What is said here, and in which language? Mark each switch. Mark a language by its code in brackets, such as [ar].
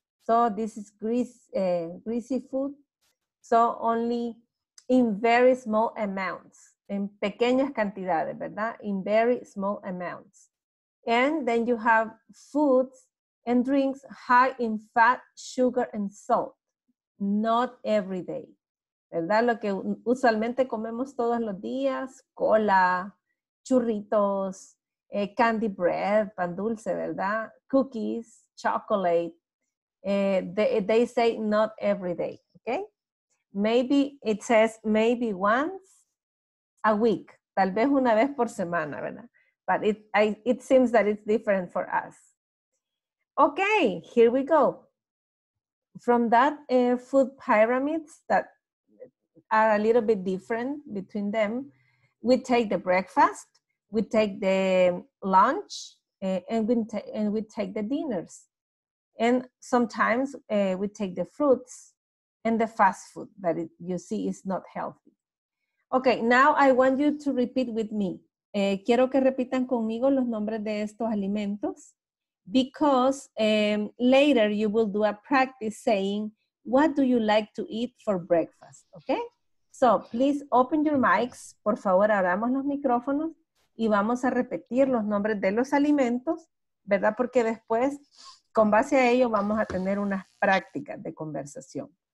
[en] So this is greasy food. So only in very small amounts, [es] en pequeñas cantidades, ¿verdad? [en] In very small amounts. And then you have foods and drinks high in fat, sugar, and salt. Not every day, [es] ¿verdad? Lo que usualmente comemos todos los días, cola, churritos, [en] candy bread, [es] pan dulce, ¿verdad? [en] Cookies, chocolate. They say not every day, okay? Maybe, it says maybe once a week. [es] Tal vez una vez por semana, ¿verdad? [en] But it seems that it's different for us. Okay, here we go. From that food pyramids that are a little bit different between them, we take the breakfast, we take the lunch, and we take the dinners. And sometimes we take the fruits. And the fast food that it, you see is not healthy. Okay, now I want you to repeat with me. [es] Quiero que repitan conmigo los nombres de estos alimentos. [en] Because later you will do a practice saying, what do you like to eat for breakfast? Okay? So please open your mics. [es] Por favor, abramos los micrófonos. Y vamos a repetir los nombres de los alimentos. ¿Verdad? Porque después, con base a ello, vamos a tener unas prácticas de conversación.